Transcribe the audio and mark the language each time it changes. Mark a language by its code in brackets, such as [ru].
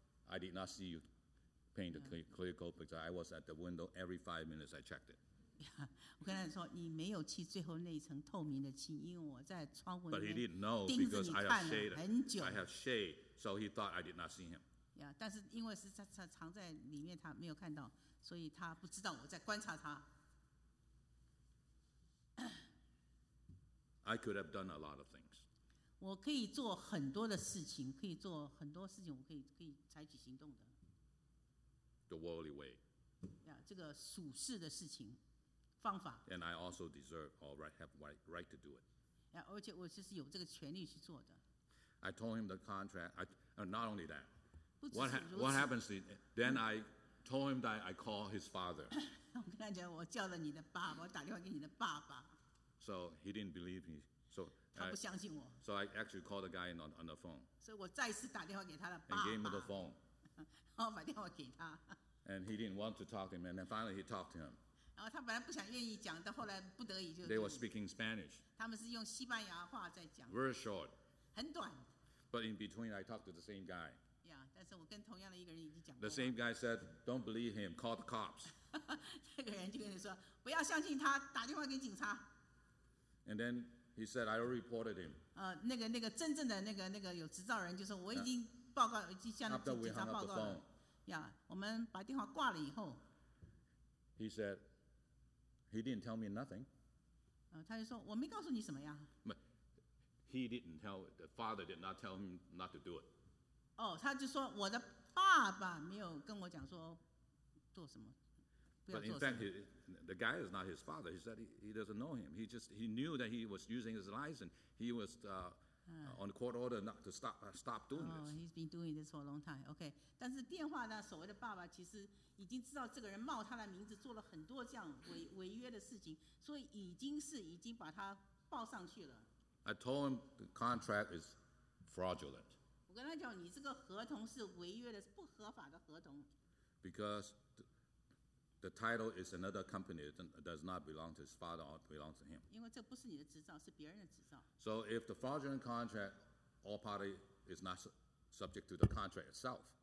[en] I did not see you paint the clear coat because I was at the window every 5 minutes. I checked it. [zh] Yeah, 我跟他说你没有漆最后那层透明的漆，因为我在窗户里面。 [en] But he didn't know because I have shade. [zh] 很久。 [en] I have shade. So he thought I did not see him. [zh] Yeah, 但是因为是他藏在里面，他没有看到，所以他不知道我在观察他。 [en] I could have done a lot of things. [zh] 我可以做很多的事情，可以做很多事情，我可以采取行动的。 [en] The worldly way. [zh] Yeah, 这个属世的事情方法。 [en] And I also deserve or have right to do it. [zh] Yeah, 而且我就是有这个权利去做的。 [en] I told him the contract. Not only that. [zh] 不只是如此。 [en] What happens to, then I told him that I call his father. [zh] 我跟他讲，我叫了你的爸爸，我打电话给你的爸爸。 [en] So he didn't believe me. So [zh] 他不相信我。 [en] So I actually called the guy on the phone. [zh] 所以我再次打电话给他的爸爸。 [en] And gave him the phone. [zh] 然后把电话给他。 [en] And he didn't want to talk to him. And then finally he talked to him. [zh] 然后他本来不想愿意讲，但后来不得已就。 [en] They were speaking Spanish. [zh] 他们是用西班牙话在讲。 [en] Very short. [zh] 很短。 [en] But in between, I talked to the same guy. [zh] Yeah, 但是我跟同样的一个人已经讲过。 [en] The same guy said, "Don't believe him. Call the cops." [zh] 这个人就跟你说，不要相信他，打电话给警察。 [en] And then he said, "I already reported him." [zh] 那个真正的那个有执照人就说，我已经报告，已经向警察报告了。 [en] After we hung up the phone, [zh] yeah, 我们把电话挂了以后。 [en] He said, "He didn't tell me nothing." [zh] 他就说我没告诉你什么呀。 [en] He didn't tell, the father did not tell him not to do it. [zh] Oh, 他就说我的爸爸没有跟我讲说做什么，不要做什么。 [en] But in fact, the guy is not his father. He said he doesn't know him. He knew that he was using his license. He was on court order not to stop doing this. Oh, he's been doing this for a long time. Okay. [zh] 但是电话那所谓的爸爸其实已经知道这个人冒他的名字做了很多这样违约的事情，所以已经是已经把他报上去了。 [en] I told him the contract is fraudulent. [zh] 我跟他讲，你这个合同是违约的，是不合法的合同。 [en] Because the title is another company that does not belong to his father or belongs to him. [zh] 因为这不是你的执照，是别人的执照。 [en] So if the fraudulent contract, all party is not subject to the contract itself.